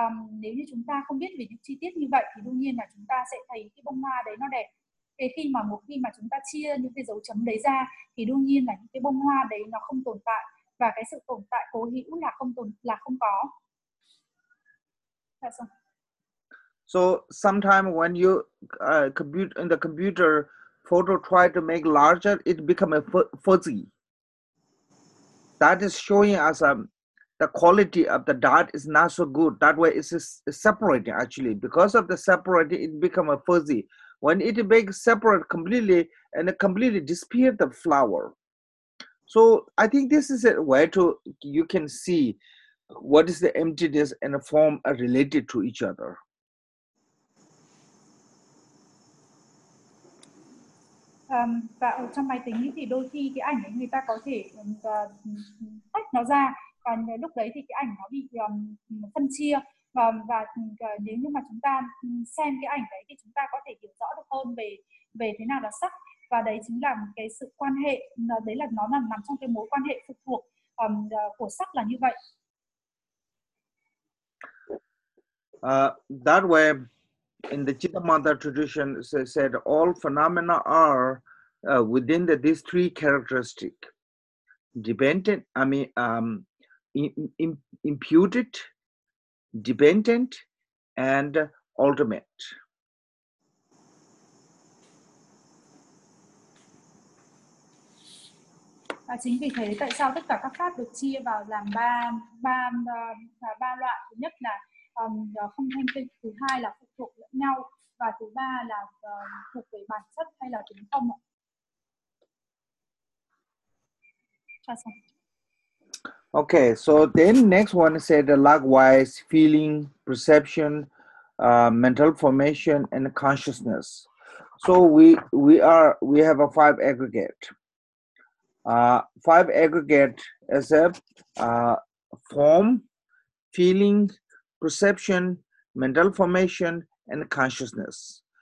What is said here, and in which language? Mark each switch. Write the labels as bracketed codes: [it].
[vi] Nếu như chúng ta không biết về những chi tiết như vậy thì đương nhiên là chúng ta sẽ thấy cái bông hoa đấy nó đẹp. Thế khi mà một khi mà chúng ta chia những cái dấu chấm đấy ra thì đương nhiên là những cái bông hoa đấy nó không tồn tại, và cái sự tồn tại cố hữu là không có. [en] So sometimes when you compute in the computer photo try to make larger, it become a fuzzy. That is showing us the quality of the dot is not so good. That way it is separating actually. Because of the separating, it become a fuzzy. When it makes separate completely and it completely disappear the flower. So I think this is a way to you can see what is the emptiness and the form are related to each other. [vi] Và ở trong máy tính thì đôi khi cái ảnh ấy người ta có thể tách nó ra, và lúc đấy thì cái ảnh nó bị phân chia, và nếu như mà chúng ta xem cái ảnh đấy thì chúng ta có thể hiểu rõ được hơn về thế nào là sắc. Và đấy chính là cái sự quan hệ, đấy là nó nằm trong cái mối quan hệ phụ thuộc của sắc là như vậy. [en] That way, in the Chittamatha tradition, they said all phenomena are within these three characteristics: imputed, dependent, and ultimate. [vi] À, chính vì thế tại sao tất cả các pháp được chia vào làm ba loại. Thứ nhất là không thanh tịnh, thứ hai là phụ thuộc lẫn nhau, và thứ ba là thuộc về bản chất hay là tính không ạ. [en] Okay, so then next one said likewise feeling, perception, mental formation and consciousness. So we have a five aggregate. Five aggregate as a form, feeling, perception, mental formation, and consciousness.